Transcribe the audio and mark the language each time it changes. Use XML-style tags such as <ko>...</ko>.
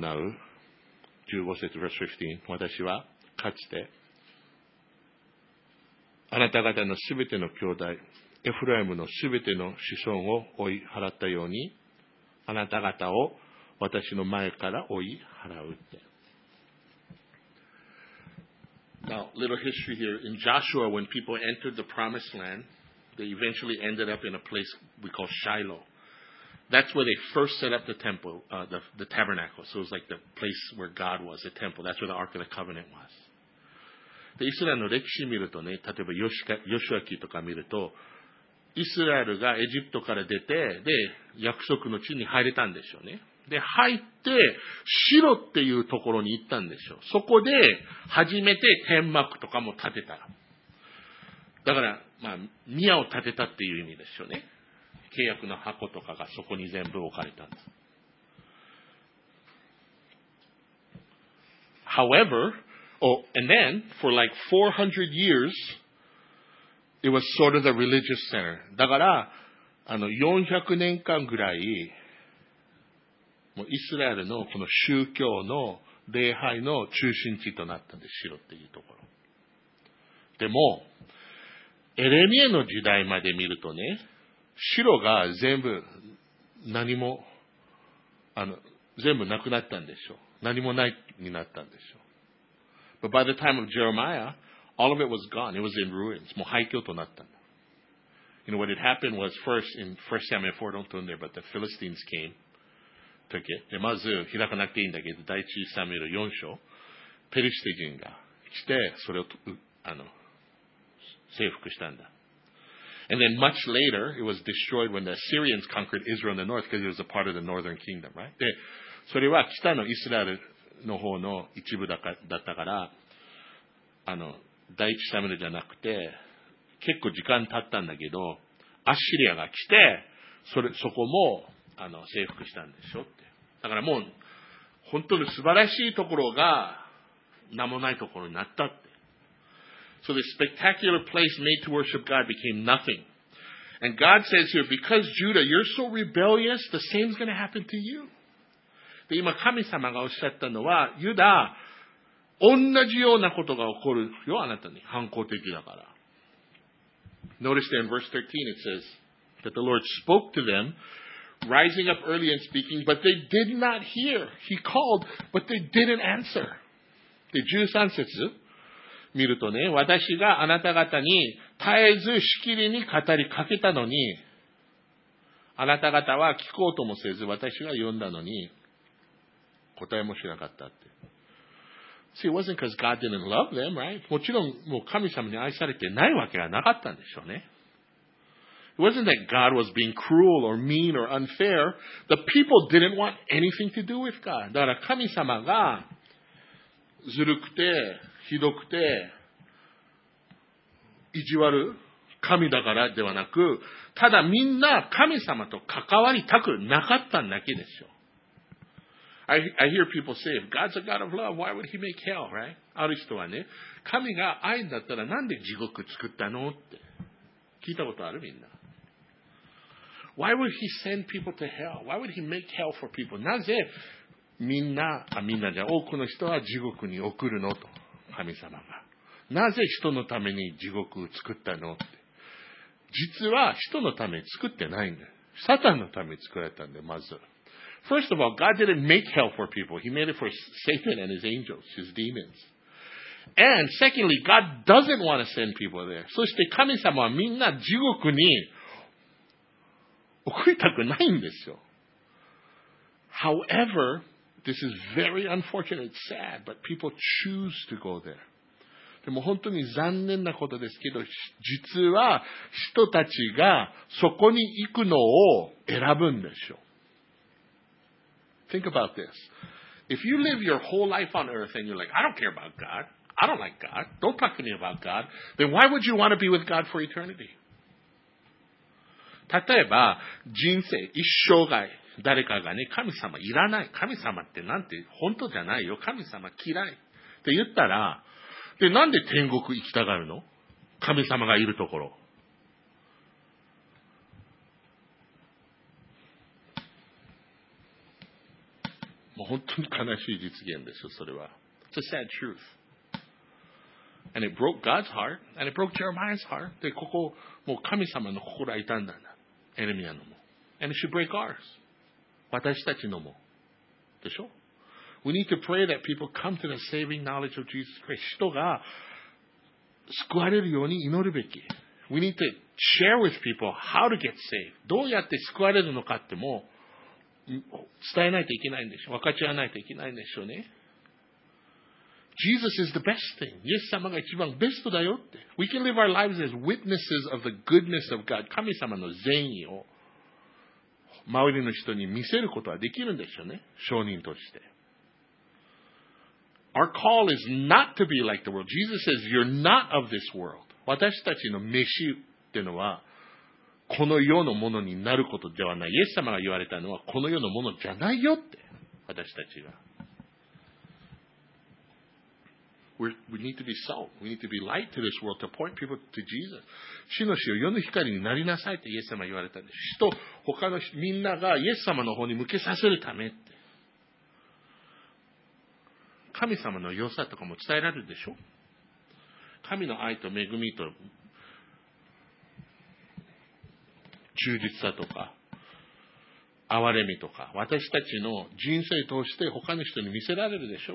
<ja>15節</ja> <en>verse 15、</en> <ja>私はかつて、あなた方のすべての兄弟、エフライムのすべての子孫を追い払ったように、あなた方を私の前から追い払うって。</ja> <en>Now, little history here. In Joshua, when people entered the promised land, they eventually ended up in a place we call Shiloh. That's where they first set up the temple, the tabernacle. So it was like the place where God was, the temple. That's where the Ark of the Covenant was.</en> <ja>で、イスラエルの歴史見るとね、例えばヨシュア記とか見ると、イスラエルがエジプトから出て、で、約束の地に入れたんでしょうね。で、入って、シロっていうところに行ったんでしょう。そこで、初めて天幕とかも建てた。だから、まあ、宮を建てたっていう意味ですよね。契約の箱とかがそこに全部置かれたんです。</ja> <en>However, oh, and then, for like 400 years,It was sort of the religious center.</en> <ja>だから、400年間ぐらい、もうイスラエルのこの宗教の礼拝の中心地となったんです、城っていうところ。でも、エレミエの時代まで見るとね、城が全部何も、全部なくなったんでしょう。何もないになったんでしょう。</ja> <en>But by the time of Jeremiah,All of it was gone. It was in ruins.</en> <ja>もう廃墟となったんだ。</ja> <en>You know, what had happened was first, in 1 Samuel 4, don't turn there, but the Philistines came, took it.</en> <ja>で、まず開かなくていいんだけど、第一サムエル4章、ペリシテ人が来て、それを、征服したんだ。</ja> <en>And then much later, it was destroyed when the Assyrians conquered Israel in the north because it was a part of the northern kingdom, right?</en> <ja>で、それは北のイスラエルの方の一部だったから、あの、第一サムエルじゃなくて、結構時間経ったんだけど、アッシリアが来て、それ、そこも、あの、征服したんでしょって。だからもう、本当に素晴らしいところが、名もないところになったって。</ja> <en>So the spectacular place made to worship God became nothing. And God says here, because Judah, you're so rebellious, the same's gonna happen to you.</en> <ja>で、今神様がおっしゃったのは、ユダ、同じようなことが起こるよ、あなたに。反抗的だから。</ja> <en>Notice there in verse 13 it says that the Lord spoke to them, rising up early and speaking, but they did not hear. He called, but they didn't answer.</en> <ja>で、13節見るとね、私があなた方に絶えずしきりに語りかけたのに、あなた方は聞こうともせず、私が呼んだのに、答えもしなかったって。</ja> <en>See, it wasn't because God didn't love them, right?</en> <ja>もちろん、もう神様に愛されてないわけがなかったんでしょうね。</ja> <en>It wasn't that God was being cruel or mean or unfair. The people didn't want anything to do with God.</en> <ja>だから神様がずるくて、ひどくて、意地悪神だからではなく、ただみんな神様と関わりたくなかったんだけでしょう。</ja> <en>I hear people say, if God's a God of love, why would he make hell, right?</en> <ja>ある人はね、神が愛だったらなんで地獄作ったのって聞いたことあるみんな。</ja> <en>Why would he send people to hell? Why would he make hell for people?</en> <ja>なぜみんな、あ、みんなじゃ多くの人は地獄に送るのと、神様が。なぜ人のために地獄を作ったのって。実は人のために作ってないんだよ。サタンのために作られたんだよ、まず。</ja> <en>First of all, God didn't make hell for people. He made it for Satan and his angels, his demons. And secondly, God doesn't want to send people there.</en> <ja>そして神様はみんな地獄に送りたくないんですよ。</ja> <en>However, this is very unfortunate, sad, but people choose to go there.</en> <ja>でも本当に残念なことですけど、実は人たちがそこに行くのを選ぶんですよ。</ja> <en>Think about this. If you live your whole life on earth and you're like, I don't care about God. I don't like God. Don't talk to me about God. Then why would you want to be with God for eternity?</en> <ja>例えば、人生、一生涯、誰かがね、神様いらない。神様ってなんて本当じゃないよ。神様嫌い。って言ったら、で、なんで天国行きたがるの？神様がいるところ。もう本当に悲しい実現ですよ、それは。</ja> <en>It's a sad truth. And it broke God's heart, and it broke Jeremiah's heart.</en> <ja>で、ここ、もう神様の心が痛んだんだ。エレミアのも。</ja> <en>And it should break ours.</en> <ja>私たちのも。でしょ？</ja> <en>We need to pray that people come to the saving knowledge of Jesus Christ.</en> <ja>人が救われるように祈るべき。</ja> <en>We need to share with people how to get saved.</en> <ja>どうやって救われるのかっても、伝えないといけないんでしょ。分かち合わないといけないんでしょうね。</ja> <en>Jesus is the best thing.</en> <ja>イエス様が一番ベストだよって。</ja> <en>We can live our lives as witnesses of the goodness of God.</en> <ja>神様の善意を周りの人に見せることはできるんでしょうね。証人として。</ja> <en>Our call is not to be like the world. Jesus says, you're not of this world.</en> <ja>私たちの召しっていうのは、この世のものになることではない。イエス様が言われたのはこの世のものじゃないよって私たちが。</ja> <en>We need to be salt. We need to be light to this world to point people to Jesus.</en> <ja>主の塩、世の光になりなさいってイエス様が言われたんです。人、他のみんながイエス様の方に向けさせるためって。神様の良さとかも伝えられるでしょ。神の愛と恵みと忠実さとか憐れみとか私たちの人生として他の人に見せられるでしょ。</ja>